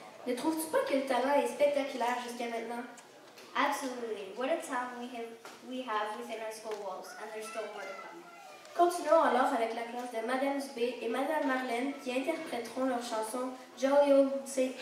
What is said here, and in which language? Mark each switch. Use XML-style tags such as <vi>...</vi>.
<fr>Ne trouves-tu pas que le talent est spectaculaire jusqu'à maintenant?</fr> <en>Absolutely. What a talent we have within our school walls, and there's still more to come.</en> <fr>Continuons alors avec la classe de Madame Zubé et Madame Marlène qui interpréteront leur chanson Jolly Old St.</fr>